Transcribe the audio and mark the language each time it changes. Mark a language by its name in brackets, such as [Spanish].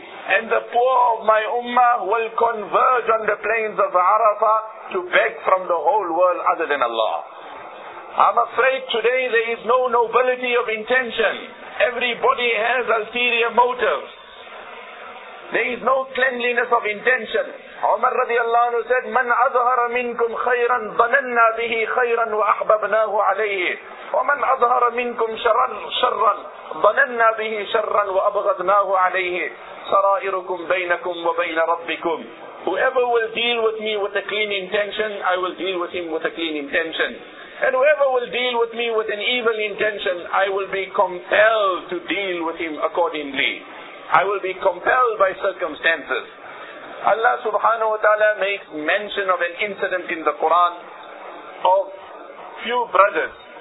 [English] And the poor of my ummah will converge on the plains of Arafah to beg from the whole world other than Allah. I'm afraid today there is no nobility of intention. Everybody has ulterior motives. There is no cleanliness of intention. Umar radiallahu anhu said, [Arabic] مَنْ أَظْهَرَ مِنْكُمْ خَيْرًا ظَنَنَّا بِهِ خَيْرًا وَأَحْبَبْنَاهُ عَلَيْهِ وَمَنْ أَظْهَرَ مِنْكُمْ شَرًّا ظَنَنَّا بِهِ شَرًّا وَأَبْغَضْنَاهُ عَلَيْهِ صَرَائِرُكُمْ بَيْنَكُمْ وَبَيْنَ رَبِّكُمْ. [English] Whoever will deal with me with a clean intention, I will deal with him with a clean intention. And whoever will deal with me with an evil intention, I will be compelled to deal with him accordingly. I will be compelled by circumstances. Allah subhanahu wa ta'ala makes mention of an incident in the Quran of few brothers.